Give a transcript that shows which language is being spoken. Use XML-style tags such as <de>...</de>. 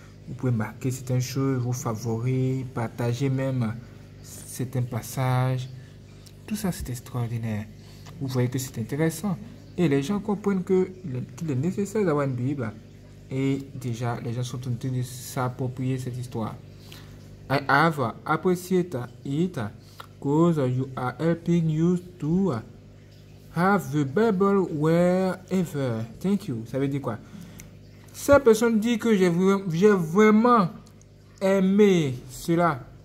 <fr>Vous pouvez marquer certaines choses, vos favoris, partager même certains passages. Tout ça, c'est extraordinaire. Vous voyez que c'est intéressant. Et les gens comprennent qu'il est nécessaire d'avoir une Bible. Et déjà, les gens sont en train de s'approprier cette histoire.</fr> <en>I have appreciated it because you are helping us to have the Bible wherever. Thank you.</en> <fr>Ça veut dire quoi? Cette personne dit que j'ai vraiment aimé cela.</fr>